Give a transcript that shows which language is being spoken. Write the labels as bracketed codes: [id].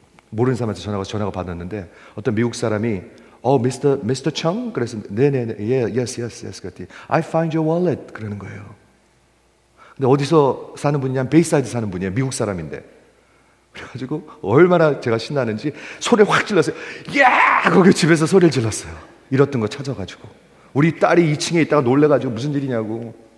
[ko] 모르는 사람한테 전화가, 전화가 받았는데 어떤 미국 사람이, [en] Oh, Mr. Chung? [ko] 그래서, 네네, [en] yeah, yes, yes, yes. I find your wallet. [ko] 그러는 거예요. 근데 어디서 사는 분이냐면, 베이사이드 사는 분이에요. 미국 사람인데. 그래가지고, 얼마나 제가 신나는지, 소리를 확 질렀어요. 예! Yeah! 거기 집에서 소리를 질렀어요. 잃었던 거 찾아가지고. 우리 딸이 2층에 있다가 놀래가지고, 무슨 일이냐고.